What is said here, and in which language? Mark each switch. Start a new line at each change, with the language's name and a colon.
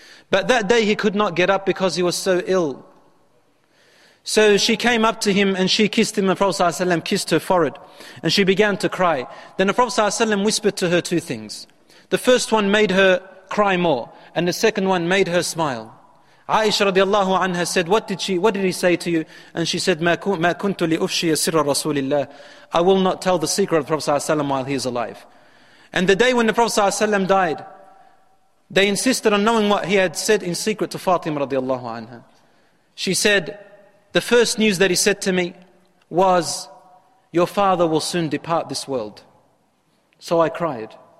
English: But that day he could not get up because he was so ill. So she came up to him and she kissed him. The Prophet ﷺ kissed her forehead and she began to cry. Then the Prophet ﷺ whispered to her two things. The first one made her cry more and the second one made her smile. Aisha radiallahu anha said, what did he say to you? And she said,
Arabic: مَا كُنْتُ لِأُفْشِيَ سِرَّ رَسُولِ اللَّهِ.
English: I will not tell the secret of the Prophet ﷺ while he is alive. And the day when the Prophet ﷺ died, They insisted on knowing what he had said in secret to Fatima radiallahu anha. She said, the first news that he said to me was, your father will soon depart this world. So I cried.